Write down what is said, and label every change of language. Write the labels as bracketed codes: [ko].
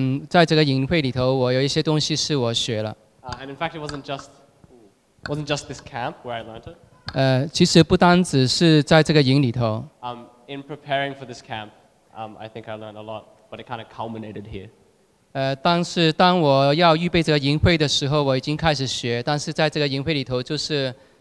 [zh] 在这个营会里头，我有一些东西是我学了。 [en] And in fact, it wasn't just this camp where I learned it. [zh] 其实不单只是在这个营里头。 [en] In preparing for this camp, I think I learned a lot, but it kind of culminated here. [zh] 但是当我要预备这个营会的时候，我已经开始学，但是在这个营会里头就是。